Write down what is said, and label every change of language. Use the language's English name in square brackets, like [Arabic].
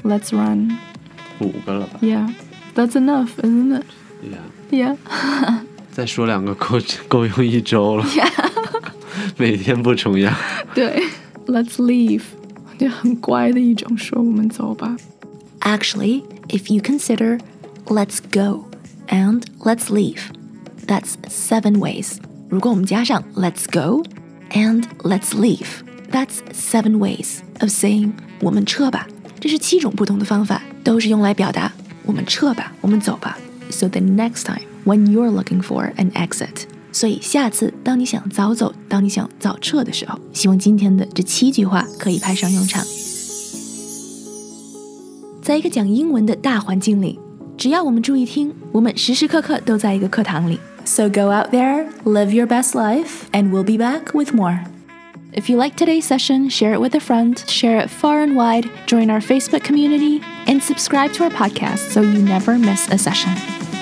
[English] Let's run. [Chinese] 五个了吧 [English] Yeah. That's enough, isn't it? Yeah. Yeah. [Chinese] 再说两个够用一周了。 [English] Yeah. [Chinese] 每天不重样。对。 [English] Let's leave. [Chinese] 就很乖的一种说我们走吧。 [English] Actually, if you consider let's go and let's leave, that's 7 ways. [Chinese] 如果我们加上 [English] let's go and let's leave, that's 7 ways of saying [Chinese] 我们撤吧。这是七种不同的方法，都是用来表达我们撤吧，我们走吧。 [English] So the next time when you're looking for an exit, [Chinese] 所以下次当你想早走，当你想早撤的时候，希望今天的这七句话可以派上用场。在一个讲英文的大环境里，只要我们注意听，我们时时刻刻都在一个课堂里。 [English] So go out there, live your best life, and we'll be back with more. If you like today's session, share it with a friend, share it far and wide, join our Facebook community, and subscribe to our podcast so you never miss a session.